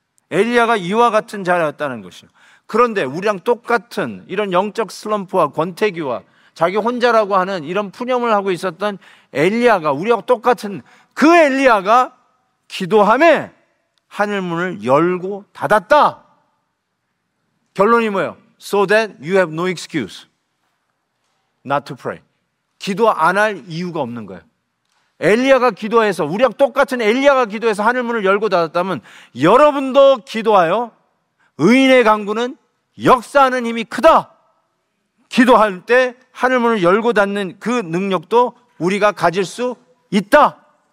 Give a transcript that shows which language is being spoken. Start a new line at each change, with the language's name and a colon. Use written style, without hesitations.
Korean: 엘리야가 이와 같은 자였다는 것이요. 그런데 우리랑 똑같은 이런 영적 슬럼프와 권태기와 자기 혼자라고 하는 이런 푸념을 하고 있었던 엘리야가 우리와 똑같은 그 엘리야가 기도함에 하늘문을 열고 닫았다. 결론이 뭐예요?
English: So that you have no excuse not to pray.
Korean: 기도 안 할 이유가 없는 거예요. 엘리야가 기도해서 우리랑 똑같은 엘리야가 기도해서 하늘문을 열고 닫았다면 여러분도 기도하여 의인의 간구는 역사하는 힘이 크다. 기도할 때 하늘문을 열고 닫는 그 능력도 우리가 가질 수 있다.